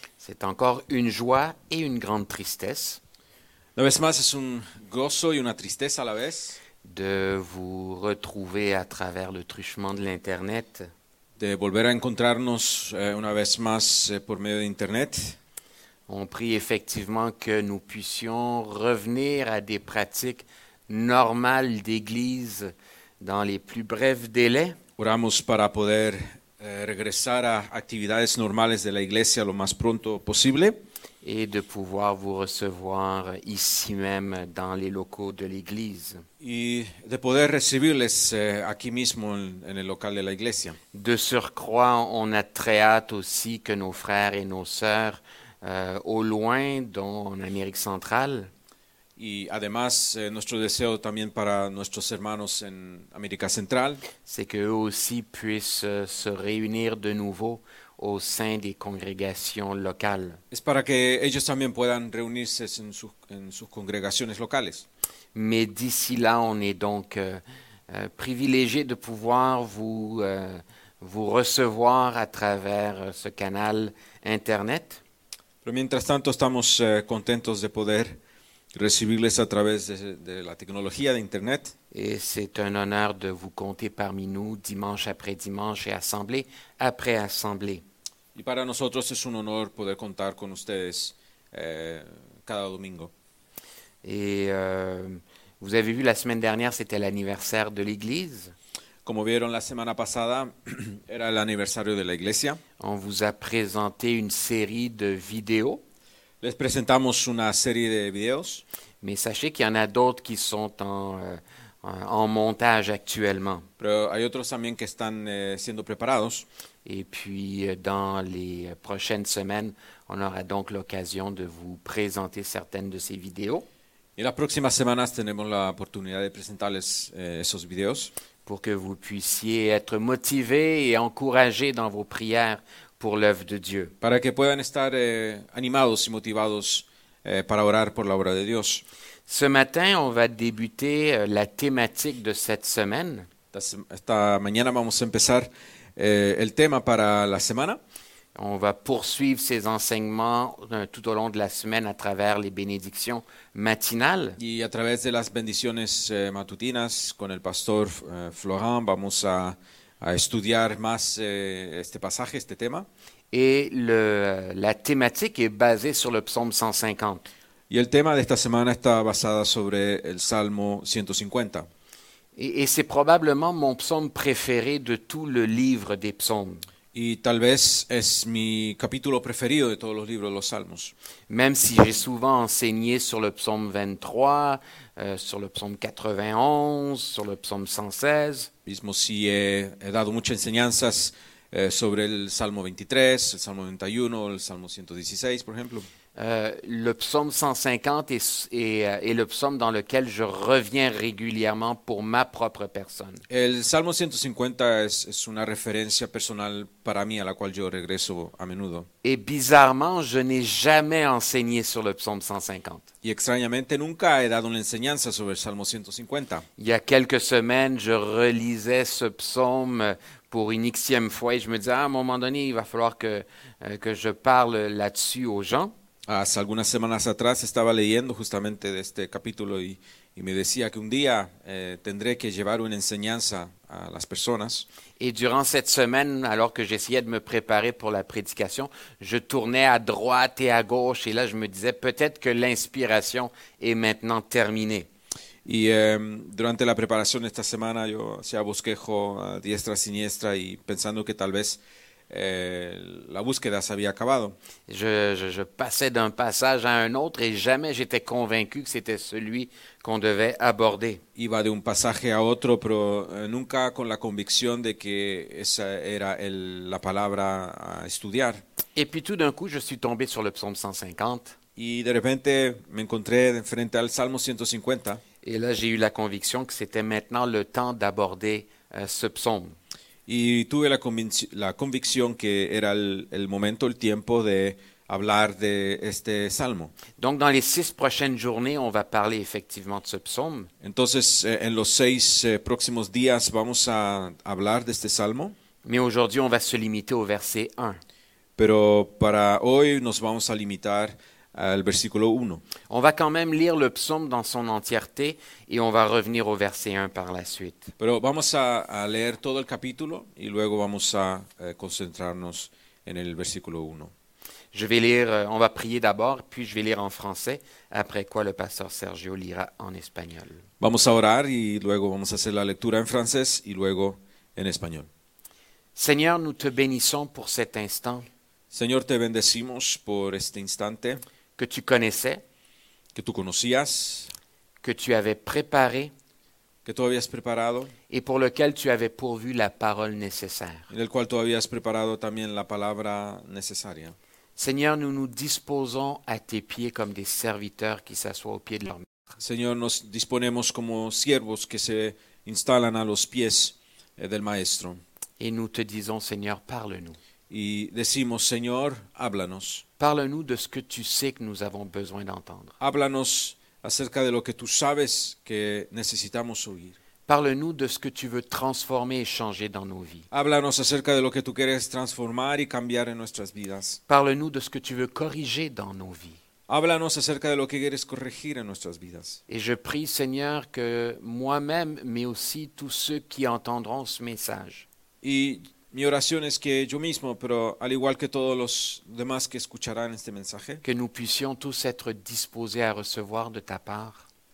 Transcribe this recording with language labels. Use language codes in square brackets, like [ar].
[fr] C'est encore une joie et une grande tristesse. [es] Una vez más, es un gozo y una tristeza a la vez. [fr] De vous retrouver à travers le truchement de l'Internet. [es] De volver a encontrarnos una vez más por medio de Internet. [fr] On prie effectivement que nous puissions revenir à des pratiques normales d'Église dans les plus brefs délais. [es] Oramos para poder regresar a actividades normales de la Iglesia lo más pronto posible. [fr] Et de pouvoir vous recevoir ici même dans les locaux de l'Église. [es] Y de poder recibirles aquí mismo en el local de la Iglesia. [fr] De surcroît, on a très hâte aussi que nos frères et nos sœurs au loin, dont en Amérique centrale. [es] Y además, nuestro deseo también para nuestros hermanos en América Central. [fr] C'est qu'eux aussi puissent se réunir de nouveau au sein des congrégations locales. [es] Es para que ellos también puedan reunirse en sus congregaciones locales. [fr] Mais d'ici là, on est donc privilégié de pouvoir vous recevoir à travers ce canal Internet. [es] Pero mientras tanto, estamos contentos de poder recibirles a través de la tecnología de Internet. [fr] Et c'est un honneur de vous compter parmi nous dimanche après dimanche et assemblée après assemblée. [es] Y para nosotros es un honor poder contar con ustedes cada domingo. [fr] Et vous avez vu la semaine dernière, c'était l'anniversaire de l'Église. [es] Como vieron la semana pasada, era el aniversario de la Iglesia. [fr] On vous a présenté une série de vidéos. [es] Les presentamos una serie de videos. [fr] Mais sachez qu'il y en a d'autres qui sont en montage actuellement. [es] Pero hay otros también que están siendo preparados. [fr] Et puis, dans les prochaines semaines, on aura donc l'occasion de vous présenter certaines de ces vidéos. [es] Et las próximas semanas tenemos la oportunidad de presentarles esos videos. [fr] Pour que vous puissiez être motivés et encouragés dans vos prières pour l'œuvre de Dieu. [es] Para que puedan estar animados y motivados para orar por la obra de Dios. [fr] Ce matin, on va débuter la thématique de cette semaine. [es] Esta mañana vamos a empezar el tema para la semana. [fr] On va poursuivre ces enseignements tout au long de la semaine à travers les bénédictions matinales. [es] Y a través de las bendiciones matutinas con el pastor Florent, vamos a estudiar más este pasaje, este tema. [fr] Et la thématique est basée sur le psaume 150. [es] Y el tema de esta semana está basada sobre el Salmo 150. [fr] Et c'est probablement mon psaume préféré de tout le livre des psaumes. [es] Y tal vez es mi capítulo preferido de todos los libros de los Salmos. [fr] Même si j'ai souvent enseigné sur le psaume 23, sur le psaume 91, sur le psaume 116. [es] Mismo si he dado muchas enseñanzas sobre el Salmo 23, el Salmo 91, el Salmo 116, por ejemplo. [fr] Le psaume 150 est le psaume dans lequel je reviens régulièrement pour ma propre personne. [es] El Salmo 150 es una referencia personal para mí a la cual yo regreso a menudo. [fr] Et bizarrement, je n'ai jamais enseigné sur le psaume 150. [es] Y extrañamente nunca he dado una enseñanza sobre el Salmo 150. [fr] Il y a quelques semaines, je relisais ce psaume pour une xième fois et je me disais, à un moment donné, il va falloir que je parle là-dessus aux gens. [es] Hace algunas semanas atrás estaba leyendo justamente de este capítulo y me decía que un día tendré que llevar una enseñanza a las personas. [fr] Et durant cette semaine, alors que j'essayais de me préparer pour la prédication, je tournais à droite et à gauche et là je me disais peut-être que l'inspiration est maintenant terminée. [es] Y durante la preparación de esta semana yo hacía bosquejo a diestra y siniestra y pensando que tal vez la búsqueda se había acabado. [fr] Je passais d'un passage à un autre et jamais j'étais convaincu que c'était celui qu'on devait aborder. [es] Iba de un pasaje a otro, pero nunca con la convicción de que esa era la palabra a estudiar. [fr] Et puis tout d'un coup, je suis tombé sur le psaume 150. [es] Y de repente me encontré frente al Salmo 150. [fr] Et là, j'ai eu la conviction que c'était maintenant le temps d'aborder ce psaume. [es] Y tuve la convicción que era el momento, el tiempo de hablar de este salmo. [fr] Donc dans les six prochaines journées, on va parler effectivement de ce psaume. [es] Entonces, en los seis próximos días vamos a hablar de este salmo. [fr] Mais aujourd'hui, on va se limiter au verset 1. [es] Pero para hoy nos vamos a limitar al versículo 1. [fr] On va quand même lire le psaume dans son entièreté et on va revenir au verset 1 par la suite. [es] Pero vamos a leer todo el capítulo y luego vamos a concentrarnos en el versículo 1. [fr] Je vais lire, on va prier d'abord, puis je vais lire en français, après quoi le pasteur Sergio lira en espagnol. [es] Vamos a orar y luego vamos a hacer la lectura en francés y luego en español. [fr] Seigneur, nous te bénissons pour cet instant. [es] Señor, te bendecimos por este instante. [fr] Que tu connaissais. [es] Que tú conocías. [fr] Que tu avais préparé. [es] Que tú habías preparado. [fr] Et pour lequel tu avais pourvu la parole nécessaire. [es] En el cual tú habías preparado también la palabra necesaria. [fr] Seigneur, nous nous disposons à tes pieds comme des serviteurs qui s'assoient au pied de leur maître. [es] Señor, nos disponemos como siervos que se instalan a los pies del maestro. [fr] Et nous te disons, Seigneur, parle-nous. [es] Y decimos, Señor, háblanos. [fr] Parle-nous de ce que tu sais que nous avons besoin d'entendre. [es] Háblanos acerca de lo que tú sabes que necesitamos oír. [fr] Parle-nous de ce que tu veux transformer et changer dans nos vies. [es] Háblanos acerca de lo que tú quieres transformar y cambiar en nuestras vidas. [fr] Parle-nous de ce que tu veux corriger dans nos vies. [es] Háblanos acerca de lo que quieres corregir en nuestras vidas. [fr] Et je prie, Seigneur, que moi-même, mais aussi tous ceux qui entendront ce message. [es] Y mi oración es que yo mismo, pero al igual que todos los demás que escucharán este mensaje, [fr] que nous puissions tous être disposés à recevoir de ta part.